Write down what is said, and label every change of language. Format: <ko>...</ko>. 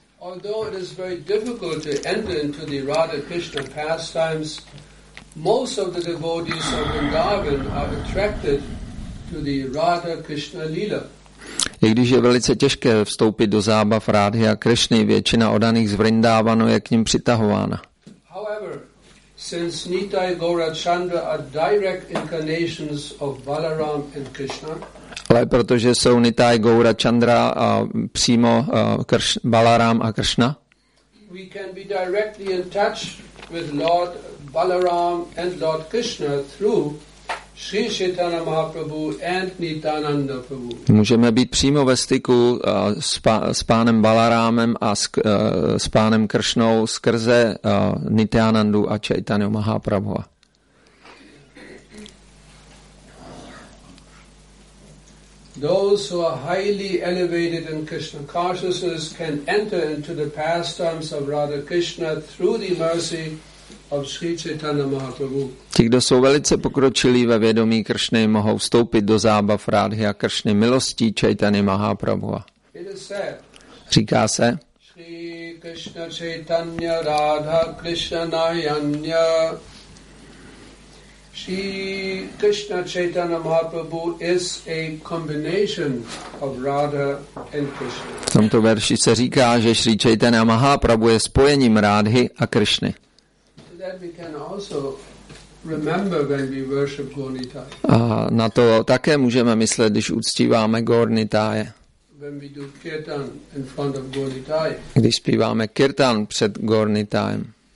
<en>Although it is very difficult to enter into the Radha Krishna pastimes, most of the devotees of Vrindavan are attracted to the Radha Krishna Lila.</en> <cs>I když je velice těžké vstoupit do zábav Rádhy a Krishny, většina odaných z Vrindavanu je k ním přitahována.</cs> <en>However, since Nitai Gaura Chandra are direct incarnations of Balaram and Krishna,</en> <cs>ale protože jsou Nitai Gaura Chandra a přímo Balaram a Krishna.</cs> <en>We can be directly in touch with Lord Balaram and Lord Krishna through Sri Chaitanya Mahaprabhu and Nitananda Prabhu.</en> <cs>Můžeme být přímo ve styku s pánem Balarámem a s pánem Kršnou skrze Nityanandu a Chaitanya Mahaprabhu.</cs> <en>Those who are highly elevated in Krishna consciousness can enter into the pastimes of Radha Krishna through the mercy of Sri Chaitanya Mahaprabhu.</en> <cs>Ti, kdo jsou velice pokročilí ve vědomí Kršny, mohou vstoupit do zábav Rádhy a Kršny milostí Chaitanya Mahaprabhu. Říká se</cs> <sa>Sri Krishna Chaitanya Radha Krishna Nayanya.</sa> <en>Sri Krishna Chaitanya Mahaprabhu is a combination of Radha and Krishna.</en> <cs>V tomto verši se říká, že Sri Chaitanya Mahaprabhu je spojením Rádhy a Krishny.</cs> <en>That we can also remember when we worship Gaura Nitaya.</en> <cs>A na to také můžeme myslet, když uctíváme Gaura Nitaya.</cs> <en>When we do kirtan in front of Gaura Nitaya.</en> <cs>Když zpíváme kirtan před Gaura Nitayem.</cs>